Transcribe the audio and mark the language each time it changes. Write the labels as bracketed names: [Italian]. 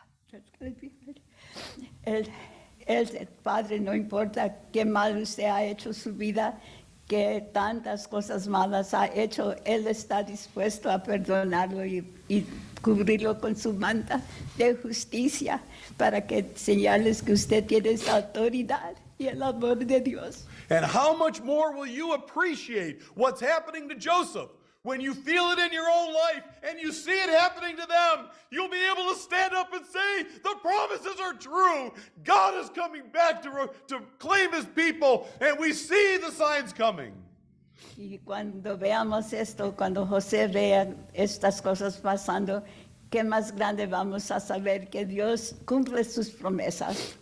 [English] That's going to be hard. [Spanish] El Padre, no importa qué mal usted ha hecho su vida, qué tantas cosas malas ha hecho, él está dispuesto a perdonarlo y cubrirlo con su manta de justicia para que señales que usted tiene esa autoridad y el amor de Dios. [English] And how much more will you appreciate what's happening to Joseph? When you feel it in your own life and you see it happening to them, you'll be able to stand up and say, the promises are true. God is coming back to claim his people, and we see the signs coming. [Spanish] Y cuando veamos esto, cuando José vea estas cosas pasando, ¿qué más grande vamos a saber que Dios cumple sus promesas?